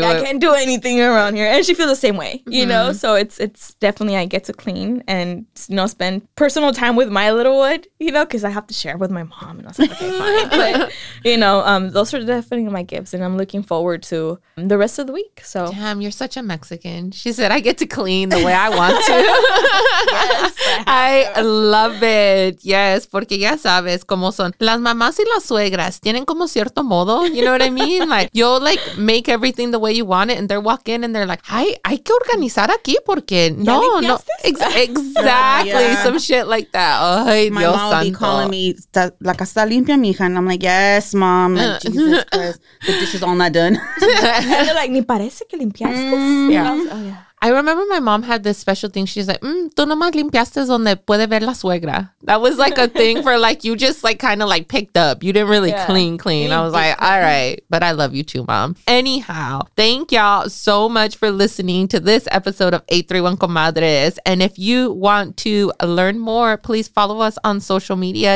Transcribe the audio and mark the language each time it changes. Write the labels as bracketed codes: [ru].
[en] Like, I can't do anything around here. And she feels the same way, you know? So it's definitely I get to clean and, you know, spend personal time with my little one, you know, because I have to share with my mom. And I was like, okay, fine. But, you know, those are definitely my gifts. And I'm looking forward to the rest of the week. So, damn, you're such a Mexican. She said, I get to clean the way I want to. Yes, I love it. [es] Yes, porque ya sabes cómo son. Las mamás y las suegras tienen como cierto modo. [en] You know what I mean? Like, you'll like make everything the way you want it. And they walk in and they're like, [es] hay, hay que organizar aquí porque no, no. [en] Exactly. Yeah. Some shit like that. Ay, my [es] Dios [en] mom [es] santo. [en] Be calling me, [es] la casa está limpia, mija. [en] And I'm like, yes, mom. Like, Jesus Christ. The dishes all not done. They're like, [es] ni parece que limpiaste. [en] Yeah. I remember my mom had this special thing. She's like, [es] tú nomás limpiaste donde puede ver la suegra. [en] That was like a thing for like, you just like kind of like picked up. You didn't really clean. I was like, all right. But I love you too, mom. Anyhow, thank y'all so much for listening to this episode of 831 Comadres. And if you want to learn more, please follow us on social media.